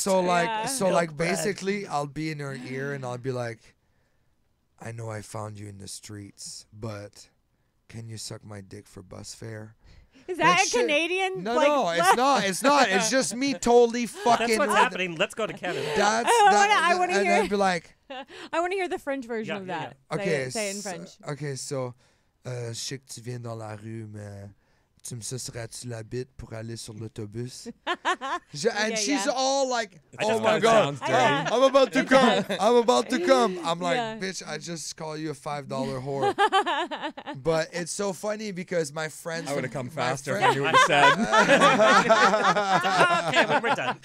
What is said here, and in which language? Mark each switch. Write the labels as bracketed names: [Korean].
[English] So like, basically, I'll be in her ear and I'll be like, "I know I found you in the streets, but can you suck my dick for bus fare?" Is that a Canadian? No, no, it's not. It's not. It's just me totally fucking. That's what's happening. Let's go to Canada. I want to hear. And then be like, I want to hear the French version of that. Yeah. Okay, say in French. Okay, so, [French] je sais que tu viens dans la rue, mais. Tu me suceras-tu la bite pour aller sur l'autobus? [English] She's all like, oh my God, I'm about to come. I'm about to come. I'm like, bitch, I just call you a $5 whore. But it's so funny because my friends. I would have come faster if I knew what you said.